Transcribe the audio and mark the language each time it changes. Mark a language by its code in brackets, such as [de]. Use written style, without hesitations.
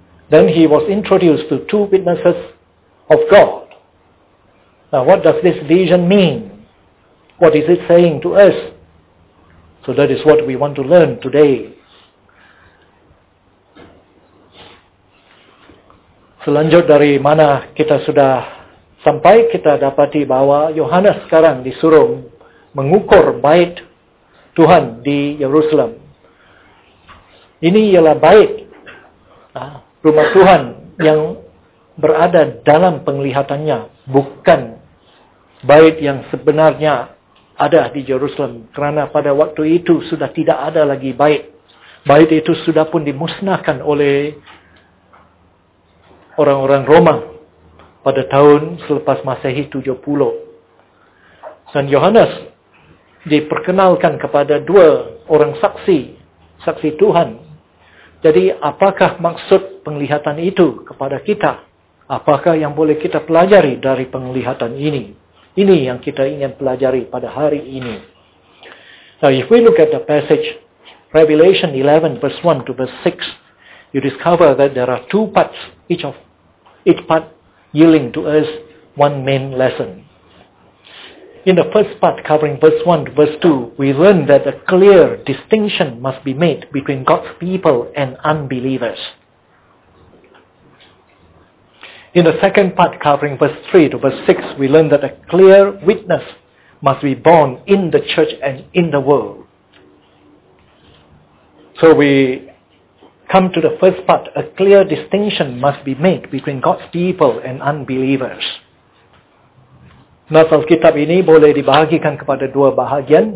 [en] Then he was introduced to two witnesses of God. Now, what does this vision mean? What is it saying to us? So that is what we want to learn today. [ms] Selanjut dari mana kita sudah sampai, kita dapati bahwa Yohanes sekarang disuruh mengukur bait Tuhan di Yerusalem. Ini ialah bait rumah Tuhan yang berada dalam penglihatannya, bukan bait yang sebenarnya ada di Yerusalem, kerana pada waktu itu sudah tidak ada lagi bait. Bait itu sudah pun dimusnahkan oleh orang-orang Roma pada tahun selepas Masehi 70. Dan Yohanes diperkenalkan kepada dua orang saksi, saksi Tuhan. Jadi apakah maksud penglihatan itu kepada kita? Apakah yang boleh kita pelajari dari penglihatan ini? Ini yang kita ingin pelajari pada hari ini. [en] Now, if we look at the passage, Revelation 11, verse 1 to verse 6, you discover that there are two parts, each part yielding to us one main lesson. In the first part, covering verse 1 to verse 2, we learn that a clear distinction must be made between God's people and unbelievers. In the second part, covering verse 3 to verse 6, we learn that a clear witness must be born in the church and in the world. So we come to the first part, a clear distinction must be made between God's people and unbelievers. [ms] Nas Alkitab ini boleh dibahagikan kepada dua bahagian.